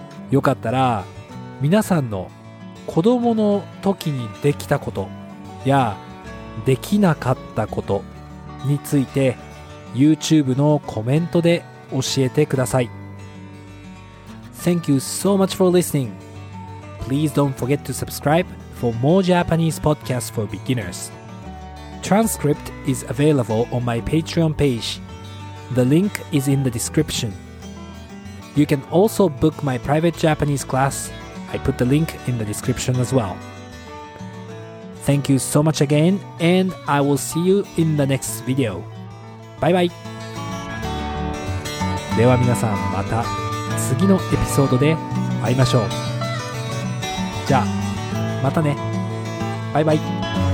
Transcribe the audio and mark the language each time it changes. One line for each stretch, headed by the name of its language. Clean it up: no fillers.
Japanese: よかったら皆さんの子供の時にできたことやできなかったことについて YouTube のコメントで教えてください。
English: Thank you so much for listening. Please don't forget to subscribe for more Japanese podcasts for beginners. Transcript is available on my Patreon page. The link is in the description. You can also book my private Japanese class. I put the link in the description as well. Thank you so much again, and I will see you in the next video. Bye bye!
Japanese: では皆さん、また次のエピソードで会いましょう。じゃあ、またね。バイバイ。